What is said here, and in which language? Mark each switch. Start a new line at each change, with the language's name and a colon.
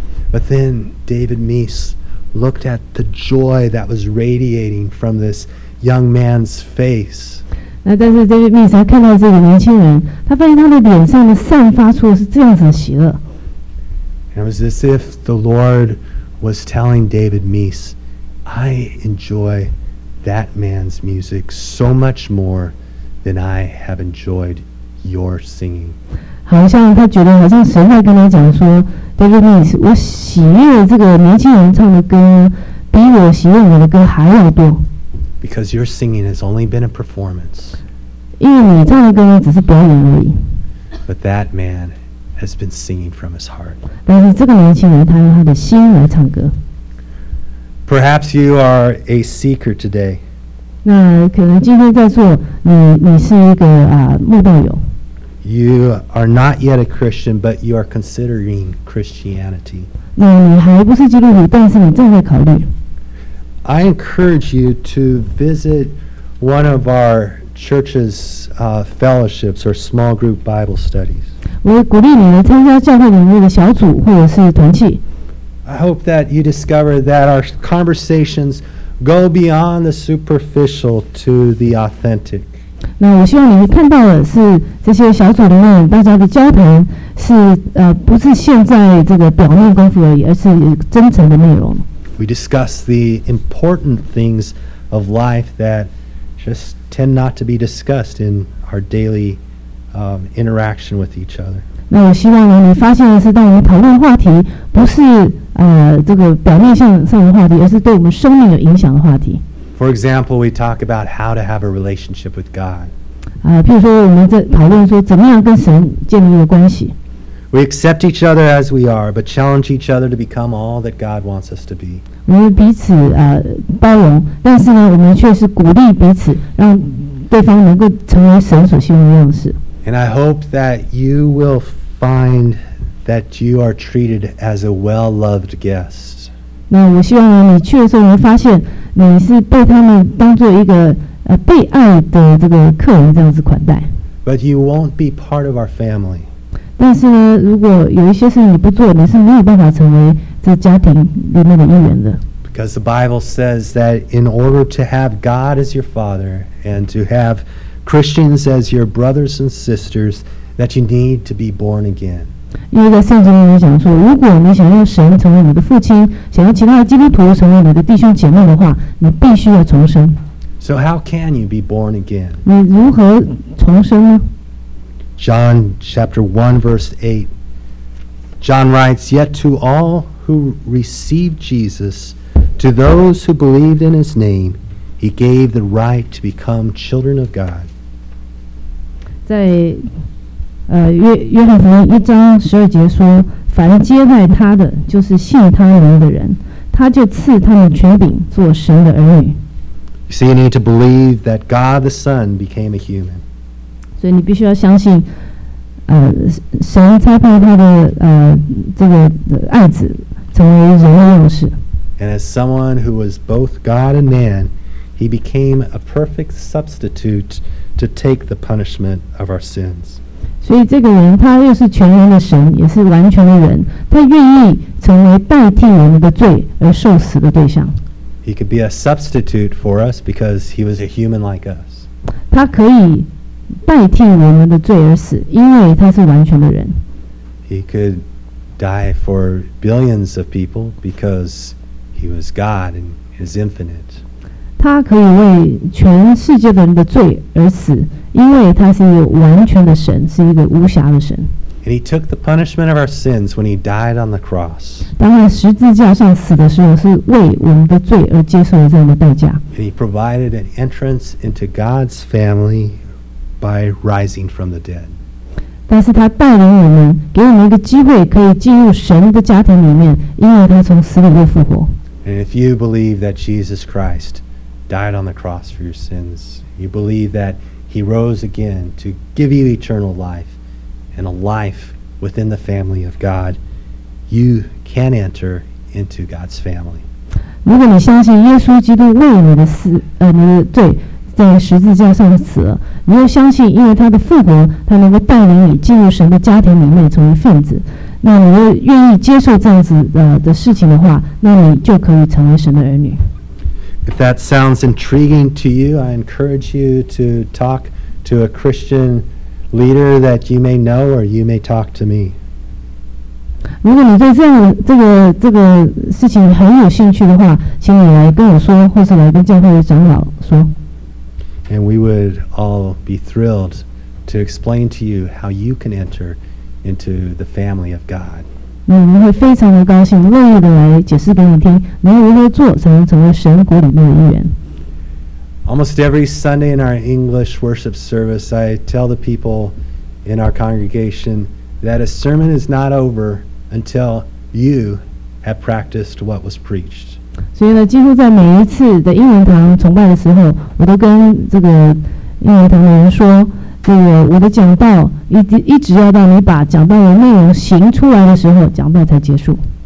English: But then David Meese looked at the joy that was radiating from this young man's face.
Chinese: 那但是 David Meese 他看到这个年轻人，他发现他的脸上的散发出的是这样子的喜乐。
English: And it was as if the Lord was telling David Meese, "I enjoy that man's music so much more than I have enjoyed your singing."
Chinese: 好像他觉得好像神在跟他讲说。David Meese, 我喜悦这个年轻人唱的歌，比我喜悦你的歌还要多。
English: Because your singing has only been a performance.
Chinese: 因为你唱的歌呢，只是表演而已。
English: But that man has been singing from his heart.
Chinese: 但是这个年轻人，他用他的心来唱歌。
English: Perhaps you are a seeker today.
Chinese: 那可能今天在座，你是一个慕道友。
English: You are not yet a Christian, but you are considering Christianity.
Chinese: 那你还不是基督徒，但是你正在考虑。
English: I encourage you to visit one of our church's fellowships or small group Bible studies.
Chinese: 我鼓励你来参加教会里面的小组或者是团契。
English: I hope that you discover that our conversations go beyond the superficial to the authentic.
Chinese: 那我希望你们看到的是这些小组里面大家的交谈是不是现在这个表面功夫而已，而是真诚的内容。
English: We discuss the important things of life that just tend not to be discussed in our daily interaction with each other.
Chinese: 那我希望你发现的是，当我们讨论话题不是这个表面上的话题，而是对我们生命有影响的话题。
English: For example, we talk about how to have a relationship with God.
Chinese: 譬如说我们在讨论说怎么样跟神建立一个关系。
English: We accept each other as we are, but challenge each other to become all that God wants us to be.
Chinese: 我们彼此包容，但是呢，我们却是鼓励彼此，让对方能够成为神所希望的样式。
English: And I hope that you will find that you are treated as a well-loved guest.
Chinese: 那我希望呢，你去的时候能发现。你是被他们当作一个被爱的这个客人这样子款待。
English: But you won't be part of our family.
Chinese: 但是呢，如果有一些事你不做，你是没有办法成为这家庭里面的一员的。
English: Because the Bible says that in order to have God as your father and to have Christians as your brothers and sisters, that you need to be born again.
Chinese: 因为在圣经里面讲说，如果你想要神成为你的父亲，想要其他的基督徒成为你的弟兄姐妹的话，你必须要重生。
English: So how can you be born again?
Chinese: 你如何重生呢？
English: John chapter 1 verse 8 John writes, Yet to all who received Jesus, to those who believed in his name, he gave the right to become children of God.
Chinese: 在约翰福音一章十二节说，凡接待他的，就是信他名的人，他就赐他们权柄做神的儿女。
English: You see, you need to believe that God the Son became a human.
Chinese: 所以你必须要相信，神差派他的这个爱子成为人的样式。
English: And as someone who was both God and man, he became a perfect substitute to take the punishment of our sins.
Chinese: 所以这个人他又是全然的神，也是完全的人，他愿意成为代替我们的罪而受死的对象。
English: He could be a substitute for us because he was a human like us.
Chinese: 他可以代替我们的罪而死，因为他是完全的人。
English: He could die for billions of people because he was God and is infinite.
Chinese: 他可以为全世界的人的罪而死。因为他是一个完全的神，是一个无瑕的神。
English: And he took the punishment of our sins when he died on the cross.
Chinese: 当他十字架上死的时候，是为我们的罪而接受了这样的代价。
English: And he provided an entrance into God's family by rising from the dead.
Chinese: 但是他带领我们，给我们一个机会，可以进入神的家庭里面，因为他从死里面复活。
English: And if you believe that Jesus Christ died on the cross for your sins, you believe that. He rose again to give you eternal life and a life within the family of God. You can enter into God's family.
Chinese: 如果你相信耶稣基督为你的你的罪在十字架上死了，你又相信因为他的复活，他能够带领你进入神的家庭里面成为分子，那你又愿意接受这样子的事情的话，那你就可以成为神的儿女。
English: If that sounds intriguing to you, I encourage you to talk to a Christian leader that you may know, or you may talk to me.
Chinese: 如果你对这个事情很有兴趣的话，请你来跟我说，或是来跟教会的长老说。
English: And we would all be thrilled to explain to you how you can enter into the family of God.
Chinese: 那我们会非常的高兴，乐意的来解释给你听，你要如何做才能成为神国里面的一员。
English: Almost every Sunday in our English worship service, I tell the people in our congregation that a sermon is not over until you have practiced what was preached.
Chinese: 所以呢，几乎在每一次的英文堂崇拜的时候，我都跟这个英文堂的人说。我的讲道一直要到你把讲道的内容行出来的时候，讲道才结束。